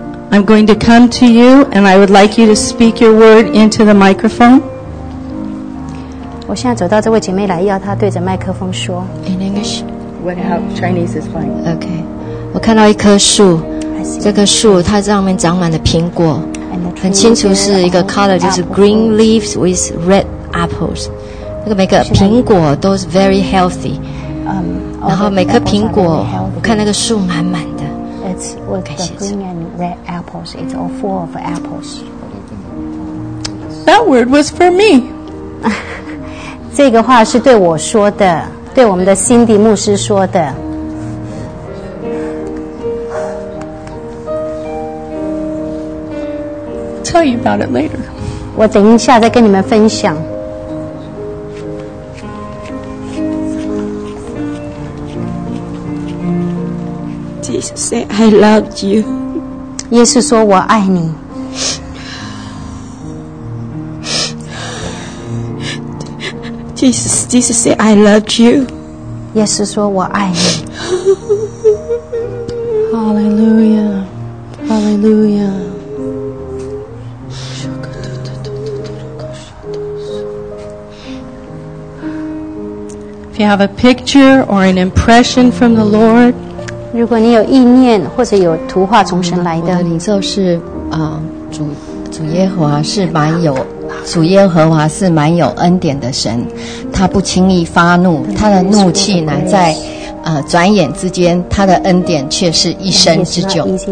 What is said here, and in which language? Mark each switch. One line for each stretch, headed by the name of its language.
English: I'm going to come to you, and I would like you to speak your word into the microphone.
Chinese: 我现在走到这位姐妹来，要她对着麦克风说。
English: In English. How Chinese is fine. Okay.
Chinese: 我看到一棵树，这棵树它上面长满了苹果，很清楚是一个 color， 就是
English: green leaves with red apples。
Chinese: 那个每个苹果都是
English: very healthy，
Chinese: 然后每颗苹果，我看那个树满满的。
English: It's with the green and red apples. It's all full of apples. That word was for me.
Chinese: 这个话是对我说的，对我们的辛迪牧师说的。
English: Tell you about it later.
Chinese: 我等一下再跟你们分享。
English: Jesus said, "I love you."
Chinese: 耶稣说我爱你。
English: Jesus said, "I love you."
Chinese: 耶稣说我爱你。
English: Hallelujah! Hallelujah! If you have a picture or an impression from the Lord,
Chinese: 如果你有意念或者有图画从神来的，我的领受是啊，主耶和华是蛮有主耶和华是蛮有恩典的神，他不轻易发怒，他的怒气乃在转眼之间，他的恩典却是一生之久。